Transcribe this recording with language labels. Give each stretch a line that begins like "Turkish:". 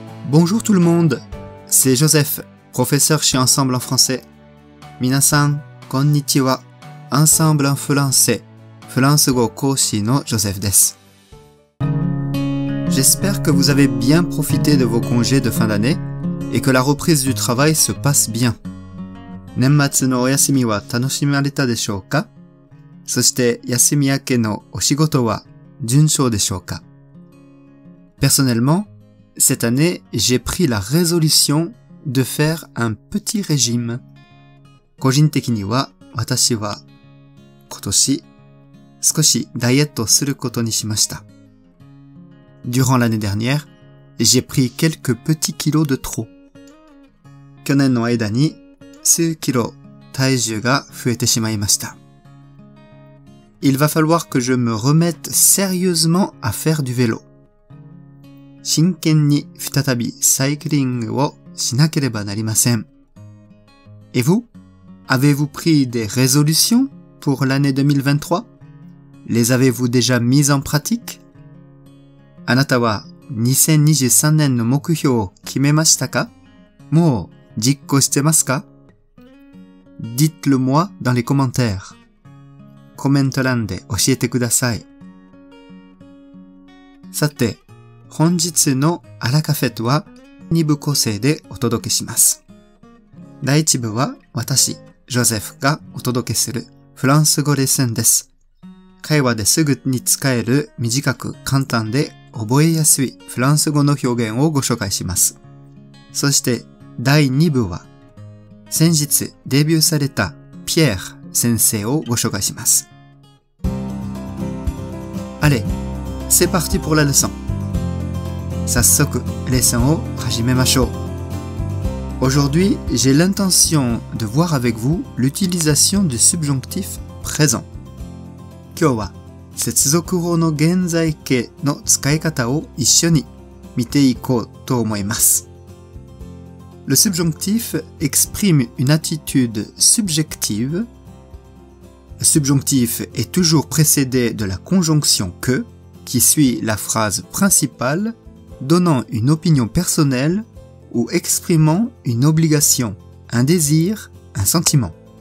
French: Bonjour tout le monde, c'est Joseph, professeur chez Ensemble en français.
Japanese: 皆さん、こんにちは。アンサンブルアンフランセ、フランス語講師のジョセフです。
French: J'espère que vous avez bien profité de vos congés de fin d'année et que la reprise du travail se passe bien.
Japanese: 年末のお休みは楽しまれたでしょうか？そして休み明けのお仕事は順調でしょうか？
French: Personnellement, cette année, j'ai pris la résolution de faire un petit régime.
Japanese: 個人的には私は今年少しダイエットすることにしました。
French: Durant l'année dernière, j'ai pris quelques petits kilos de trop.
Japanese: 去年の間に数キロ体重が増えてしまいました。
French: Il va falloir que je me remette sérieusement à faire du vélo.
Japanese: 真剣に再びサイクリングをしなければなりません。
French: Et vous? Avez-vous pris des résolutions pour l'année 2023? Les avez-vous déjà mises en pratique?
Japanese: あなたは2023年の目標を決めましたか？もう実行してますか？
French: Dites-le moi dans les commentaires.
Japanese: コメント欄で教えてください。さて、本日のアラカフェとは2部構成でお届けします。第1部は私、ジョゼフがお届けするフランス語レッスンです。会話ですぐに使える短く簡単で覚えやすいフランス語の表現をご紹介します。そして第2部は先日デビューされたピエール先生をご紹介します。
French: Allez, c'est parti pour la leçon.
Japanese: 早速レッスンを始めましょう。
French: Aujourd'hui, j'ai l'intention de voir avec vous l'utilisation du subjonctif présent.
Japanese: 今日は接続語の現在形の使い方を一緒に見ていこうと思います。
French: Le subjonctif exprime une attitude subjective. Le subjonctif est toujours précédé de la conjonction que, qui suit la phrase principale, donnant une opinion personnelle ou exprimant une obligation, un désir, un sentiment.